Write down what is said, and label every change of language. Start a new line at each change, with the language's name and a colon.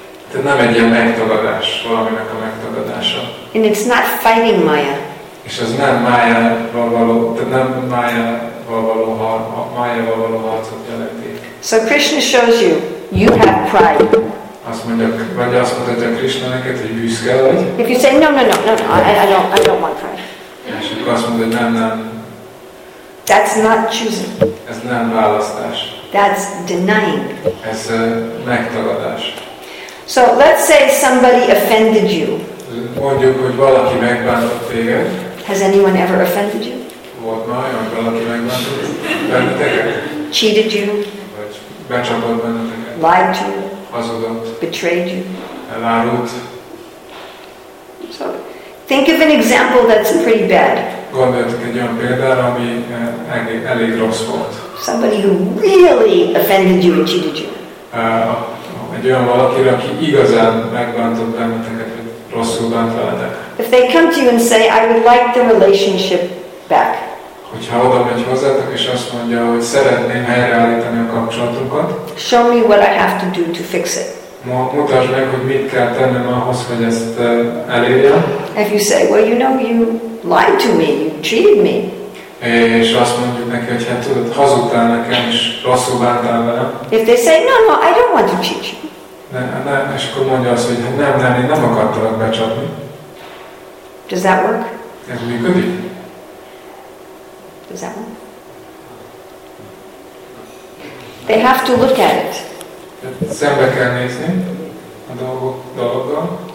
Hungarian: Tehát nem egy ilyen megtagadás, valaminek a megtagadása.
English: And it's not fighting Maya.
Hungarian: És ez nem Maya-val való, Maya-val való harcot jelenti.
English: So Krishna shows you, you have pride.
Hungarian: Azt mondja, vagy azt mondja Krishna neked, hogy büszke vagy.
English: If you say no, I don't want pride.
Hungarian: És akkor azt mondja, nem.
English: That's not choosing.
Hungarian: Ez nem választás.
English: That's denying.
Hungarian: Ez megtagadás.
English: So let's say somebody offended you.
Hungarian: Mondjuk, hogy valaki megbántott téged.
English: Has anyone ever offended you?
Hungarian: Volt már, hogy valaki megbántott benneteket.
English: Cheated you.
Hungarian: Becsapott benneteket.
English: Lied to you.
Hungarian: Hazudott.
English: Betrayed you.
Hungarian: Elárult.
English: So, think of an example that's pretty bad.
Hungarian: Gondoltuk egy olyan példára, ami elég rossz volt.
English: Somebody who really offended you and cheated you.
Hungarian: Egy olyan valaki, aki igazán megbántott benneteket, rosszul bánt veletek.
English: If they come to you and say, I would like the relationship back.
Hungarian: Hogyha oda megy hozzátok, és azt mondja, hogy szeretném helyreállítani a kapcsolatunkat.
English: Show me what I have to do to fix it.
Hungarian: Mutasd meg, hogy mit kell tennem ahhoz, hogy ezt elérjem.
English: If you say, well, you know, you lied to me, you cheated me.
Hungarian: És azt mondjuk neki, hogy hát tudod, hazudtál nekem, és rosszul bántál velem.
English: If they say, no, I don't want to cheat you.
Hungarian: Nem, és akkor mondja azt, hogy nem, én nem akartalak becsapni.
English: Does that work?
Hungarian: Ez működik?
English: Does that work? They have to look at it.
Hungarian: Szembe kell nézni a dolgokkal.